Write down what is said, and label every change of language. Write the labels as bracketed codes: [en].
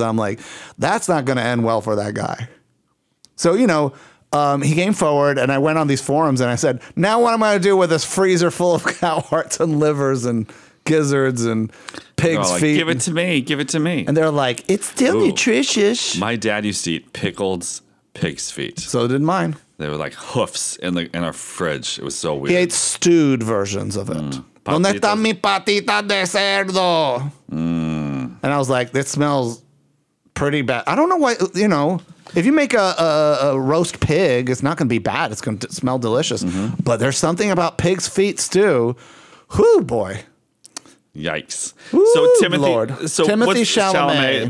[en] I'm like, that's not going to end well for that guy. So, you know, he came forward and I went on these forums and I said, now what am I going to do with this freezer full of cow hearts and livers and gizzards and pig's feet? Like, Give it to me. And they're like, it's still nutritious. My dad used to eat pickled pig's feet. So did mine. They were like hoofs in our fridge. It was so weird. He ate stewed versions of it. [es] ¿Dónde está mi patita de cerdo? [en] And I was like, this smells pretty bad. I don't know why, you know, if you make a roast pig, it's not going to be bad. It's going to smell delicious. Mm-hmm. But there's something about pig's feet stew. Whoo, boy. Yikes. Ooh, so Timothy Chalamet,